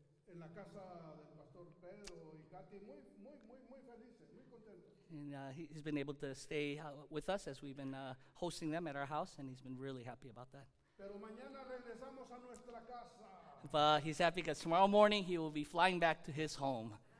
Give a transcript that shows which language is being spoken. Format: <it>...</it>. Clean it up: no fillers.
<es>En la casa del Pastor Pedro y Katy, muy, muy, muy, muy felices, muy contentos.</es> <en>And he's been able to stay with us as we've been hosting them at our house, and he's been really happy about that.</en> <es>Pero mañana regresamos a nuestra casa.</es> <en>But he's happy because tomorrow morning he will be flying back to his home.</en>